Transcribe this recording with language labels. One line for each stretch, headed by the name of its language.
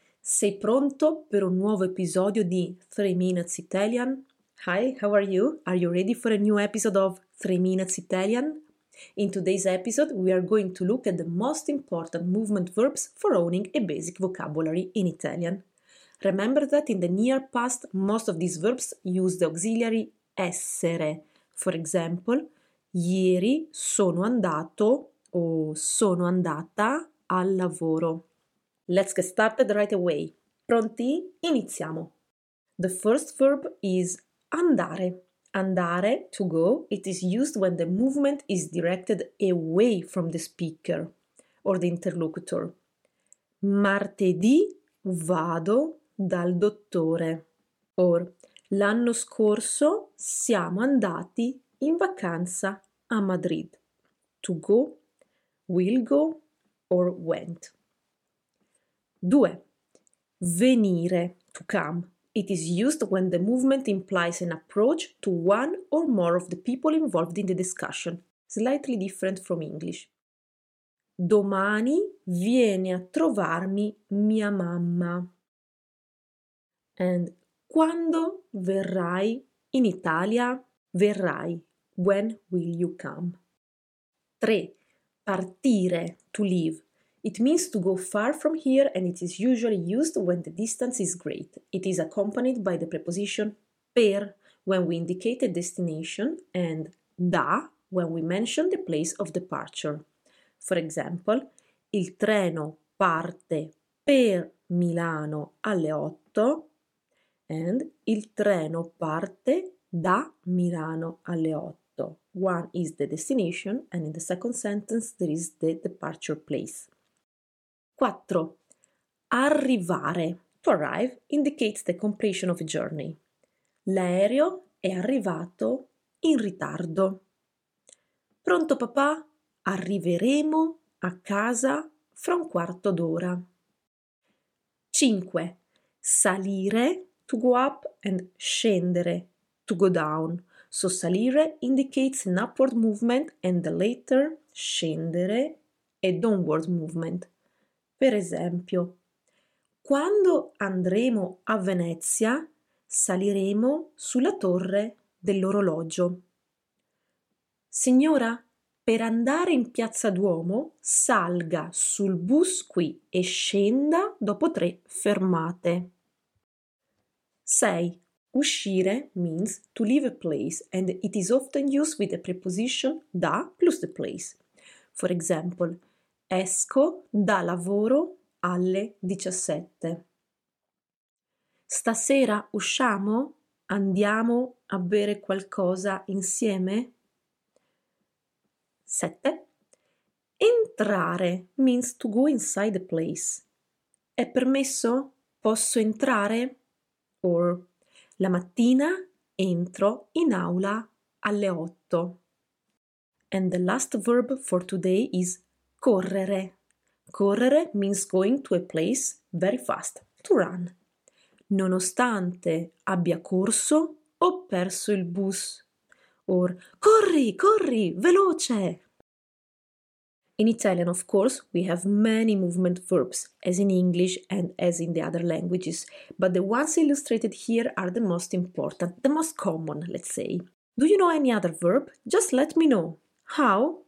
Italian: Sei pronto per un nuovo episodio di 3 Minutes Italian?
English: Hi, how are you? Are you ready for a new episode of 3 Minutes Italian? In today's episode, we are going to look at the most important movement verbs for owning a basic vocabulary in Italian. Remember that in the near past, most of these verbs use the auxiliary essere. For example,
Italian: ieri sono andato o sono andata al lavoro.
English: Let's get started right away.
Italian: Pronti? Iniziamo.
English: The first verb is andare. Andare, to go, it is used when the movement is directed away from the speaker or the interlocutor.
Italian: Martedì vado dal dottore. Or, l'anno scorso siamo andati in vacanza a Madrid.
English: To go, will go, or went. 2. Venire, to come. It is used when the movement implies an approach to one or more of the people involved in the discussion. Slightly different from English.
Italian: Domani viene a trovarmi mia mamma. And quando verrai in Italia? Verrai.
English: When will you come? 3. Partire, to leave. It means to go far from here and it is usually used when the distance is great. It is accompanied by the preposition per when we indicate a destination and da when we mention the place of departure. For example,
Italian: il treno parte per Milano alle 8 and il treno parte da Milano alle 8.
English: One is the destination and in the second sentence there is the departure place. 4. Arrivare, to arrive, indicates the completion of a journey.
Italian: L'aereo è arrivato in ritardo. Pronto papà? Arriveremo a casa fra un quarto d'ora. 5.
English: Salire, to go up, and scendere, to go down. So salire indicates an upward movement and the latter, scendere, a downward movement.
Italian: Per esempio, quando andremo a Venezia, saliremo sulla torre dell'orologio. Signora, per andare in Piazza Duomo, salga sul bus qui e scenda dopo 3 fermate. 6.
English: Uscire means to leave a place and it is often used with the preposition da plus the place. For example,
Italian: esco da lavoro alle 17. Stasera usciamo? Andiamo a bere qualcosa insieme? 7.
English: Entrare means to go inside the place.
Italian: È permesso? Posso entrare? Or, la mattina entro in aula alle 8.
English: And the last verb for today is correre. Correre means going to a place very fast, to run.
Italian: Nonostante abbia corso, ho perso il bus. Or, corri, corri, veloce!
English: In Italian, of course, we have many movement verbs, as in English and as in the other languages, but the ones illustrated here are the most important, the most common, let's say. Do you know any other verb? Just let me know. How?